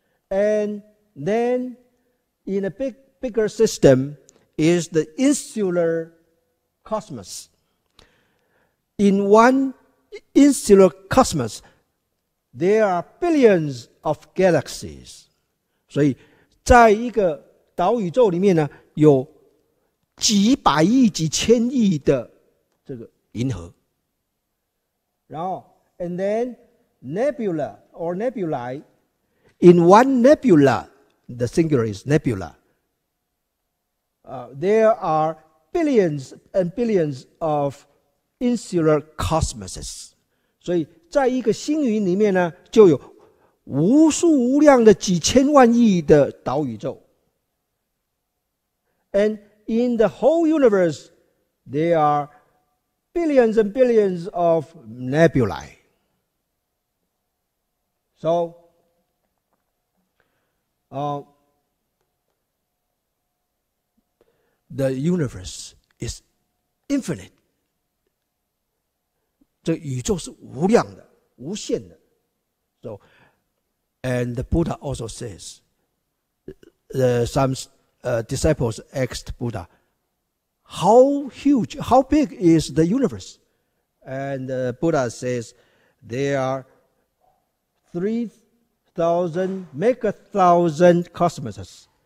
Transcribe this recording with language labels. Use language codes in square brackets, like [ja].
[en] And then in a bigger system is the insular cosmos. In one insular cosmos, there are billions of galaxies. [zh] 所以在一个岛宇宙里面呢，有几百亿几千亿的这个银河。 [en] 然后 And then nebula or nebulae. In one nebula, the singular is nebula. There are billions and billions of insular cosmoses. [zh] 所以在一个星云里面呢，就有无数无量的几千万亿的岛宇宙。 [en] And in the whole universe, there are billions and billions of nebulae. So, the universe is infinite. [zh] 这宇宙是无量的，无限的。 [en] So, and the Buddha also says, disciples asked Buddha, how huge, how big is the universe? And Buddha says, there are 3,000 megathousand cosmoses.